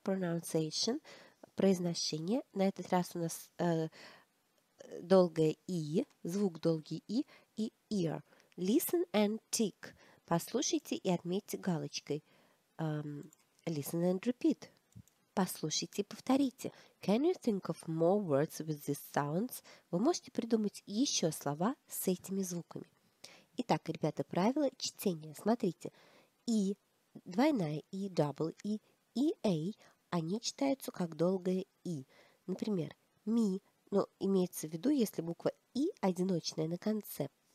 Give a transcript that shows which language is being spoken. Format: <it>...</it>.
<en>Pronunciation.</en> <ru>Произношение. На этот раз у нас долгое «и», звук долгий «и» и «ear».</ru> <en>Listen and tick.</en> <ru>Послушайте и отметьте галочкой.</ru> <en>Listen and repeat.</en> <ru>Послушайте и повторите.</ru> <en>Can you think of more words with these sounds?</en> <ru>Вы можете придумать еще слова с этими звуками. Итак, ребята, правила чтения. Смотрите. «И», двойная «и», double «и», «и», «эй», они читаются как долгое «и». Например, «ми», но имеется в виду, если буква «и» одиночная на конце.</ru>